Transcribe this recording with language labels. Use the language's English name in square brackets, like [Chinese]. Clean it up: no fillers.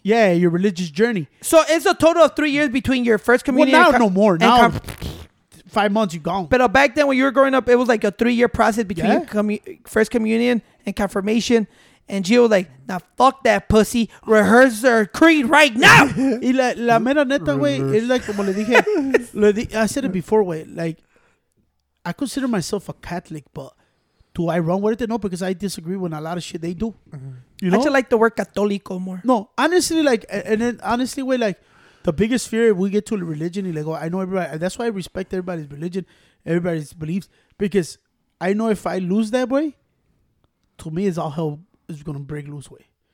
[English] Yeah, your religious journey. So it's a total of 3 years between your first communion. Well, now no more. Now, 5 months, you're gone. But back then when you were growing up, it was like a 3-year process between first communion and confirmation. And Gio was like, now fuck that pussy. Rehearse their creed right now. [Spanish] Y la mera neta, güey, es like como le dije. [English] I said it before, güey. Like, I consider myself a Catholic, but do I run with it? No, because I disagree with a lot of shit they do. Mm-hmm. You know? I just like the word católico more. No, honestly, like, and then honestly, we're like, the biggest fear, if we get to religion, you're like, oh, I know everybody, that's why I respect everybody's religion, everybody's beliefs, because I know if I lose that way, to me, it's all hell is going to break loose way.